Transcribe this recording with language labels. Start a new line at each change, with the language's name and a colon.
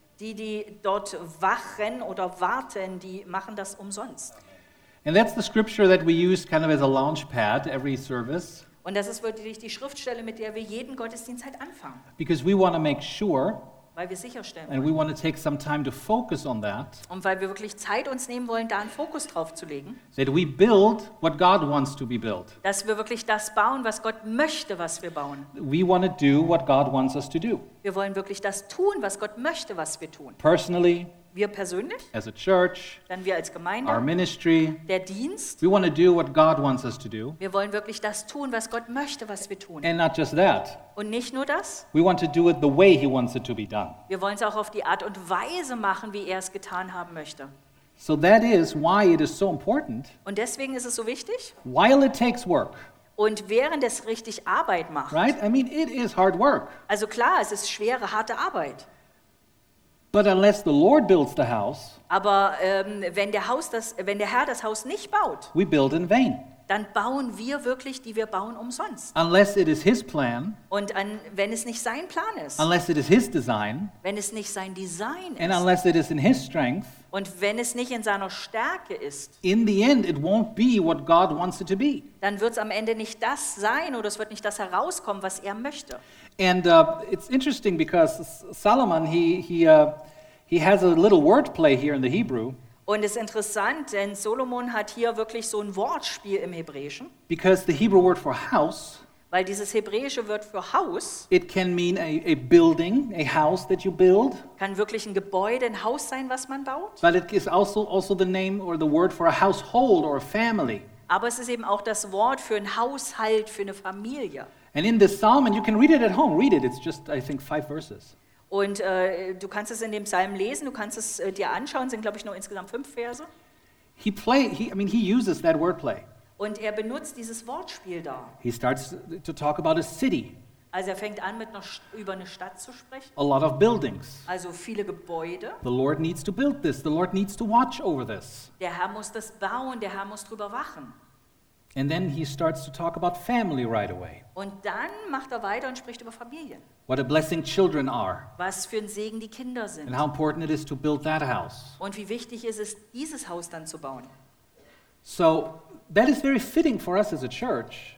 German: Die dort wachen oder warten, die machen das umsonst.
English: And that's the scripture that we use kind of as a launch pad every service.
German: Und das ist wirklich die Schriftstelle, mit der wir jeden Gottesdienst halt anfangen.
English: Because we want to make sure.
German: Weil wir sicherstellen.
English: And we want to take some time to focus on that.
German: Und weil wir wirklich Zeit uns nehmen wollen, da einen Fokus drauf zu legen.
English: That we build what God wants to be built.
German: Dass wir wirklich das bauen, was Gott möchte, was wir bauen.
English: We want to do what God wants us to do.
German: Wir wollen wirklich das tun, was Gott möchte, was wir tun.
English: Personally.
German: Wir persönlich.
English: As a church.
German: Dann wir als Gemeinde.
English: Our ministry.
German: Der Dienst.
English: We want to do what God wants us to do.
German: Wir wollen wirklich das tun, was Gott möchte, was wir tun.
English: And not just that.
German: Und nicht nur das.
English: We want to do it the way he wants it to be done.
German: Wir wollen es auch auf die Art und Weise machen, wie er es getan haben möchte.
English: So that is why it is so important.
German: Und deswegen ist es so wichtig.
English: While it takes work.
German: Und während es richtig Arbeit macht.
English: Right? I mean, it is hard work.
German: Also klar, es ist schwere, harte Arbeit.
English: But unless the Lord builds the house,
German: aber wenn der Herr das Haus nicht baut,
English: we build in vain.
German: Dann bauen wir wirklich, die wir bauen, umsonst.
English: Unless it is his plan,
German: und wenn es nicht sein Plan ist,
English: unless it is his design,
German: wenn es nicht sein Design ist,
English: and unless it is in his strength,
German: und wenn es nicht in seiner Stärke ist,
English: in the end it won't be what God wants it to be.
German: Dann wird es am Ende nicht das sein oder es wird nicht das herauskommen, was er möchte.
English: And it's interesting because Solomon he has a little wordplay here in the Hebrew.
German: Und es ist interessant, denn Solomon hat hier wirklich so ein Wortspiel im Hebräischen.
English: Because the Hebrew word for house,
German: weil dieses hebräische Wort für Haus,
English: it can mean a building, a house that you build.
German: Kann wirklich ein Gebäude, ein Haus sein, was man baut.
English: But it is also the name or the word for a household or a family.
German: Aber es ist eben auch das Wort für ein Haushalt, für eine Familie.
English: And in this psalm, and you can read it at home, read it, it's just, I think, 5 verses.
German: Und du kannst es in dem Psalm lesen, du kannst es dir anschauen, es sind, glaube ich, nur insgesamt 5 Verse.
English: He uses that wordplay.
German: Und er benutzt dieses Wortspiel da.
English: He starts to talk about a city.
German: Also er fängt an, über eine Stadt zu sprechen.
English: A lot of buildings.
German: Also viele Gebäude.
English: The Lord needs to build this, the Lord needs to watch over this.
German: Der Herr muss das bauen, der Herr muss drüber wachen.
English: And then he starts to talk about family right away.
German: Und dann macht weiter und spricht über Familien.
English: What a blessing children are.
German: Was für ein Segen die Kinder sind.
English: And how important it is to build that house.
German: Und wie wichtig ist es, dieses Haus dann zu bauen.
English: So that is very fitting for us as a church.